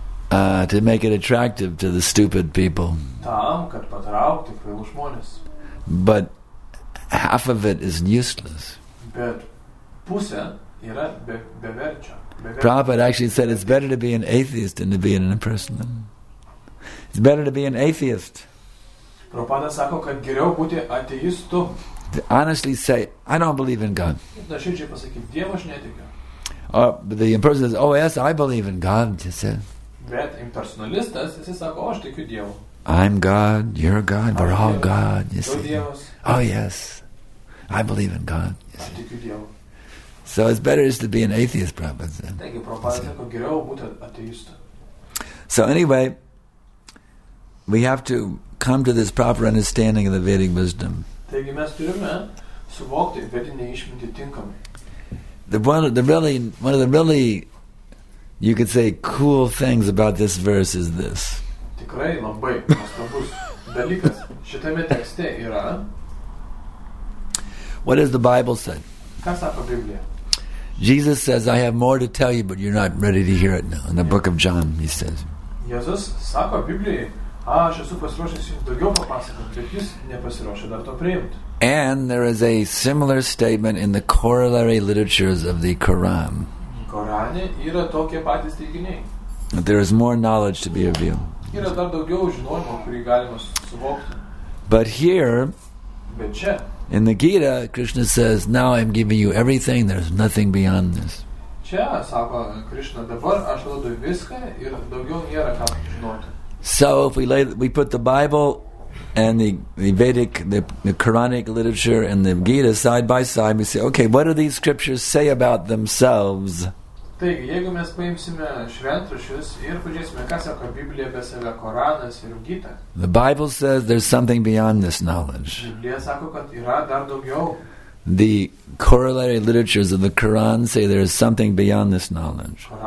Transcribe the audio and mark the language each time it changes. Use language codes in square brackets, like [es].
[en] To make it attractive to the stupid people. But half of it is useless. Prabhupada actually said it's better to be an atheist than to be an impersonalist. It's better to be an atheist. [lt] Prabhupada sako, kad geriau būti ateistu. [en] To honestly say, I don't believe in God. The impersonal says, oh yes, I believe in God. He said. [lt] Bet impersonalistas, jis sako, aš tikiu Dievu. [en] I'm God, you're God, we're all God. You see. [lt] Dievas. [en] Oh yes, I believe in God. [lt] Aš tikiu Dievu. [en] So it's better just to be an atheist, Prabhupada said. [lt] Taigi, Prabhupada sako, geriau būti ateistu. [en] So anyway, we have to come to this proper understanding of the Vedic wisdom. [lt] Taigi mes turime suvokti vedinę išmintį tinkamai. [en] One of the really, you could say, cool things about this verse is this. [lt] Tikrai labai nuostabus dalykas šitame tekste yra. [en] What does the Bible say? [lt] Ką sako Biblija? [en] Jesus says, I have more to tell you, but you're not ready to hear it now. In the book of John, he says. [lt] Jesus sako Biblijai, aš esu pasiruošęs jums daugiau papasakoti, bet jūs nepasiruošę dar to priimti. [en] And there is a similar statement in the corollary literatures of the Quran. [lt] Korane yra tokie patys teiginiai. [en] That there is more knowledge to be revealed. [lt] Yra dar daugiau žinojimo, kurį galima suvokti. [en] But here, [lt] bet čia, [en] in the Gita, Krishna says, now I'm giving you everything, there's nothing beyond this. [lt] Čia, sako Krishna, dabar aš duodu viską ir daugiau nėra ką žinoti. [en] So if we put the Bible and the Vedic, the Quranic literature and the Gita side by side, we say, okay, what do these scriptures say about themselves? [lt] Taigi, jeigu mes paimsime šventrašius ir pažiūrėsime, ką sako Biblija apie save, Koranas ir Gita. [en] The Bible says there's something beyond this knowledge. [lt] Biblija sako, kad yra dar daugiau. [en] The corollary literatures of the Quran say there is something beyond this knowledge.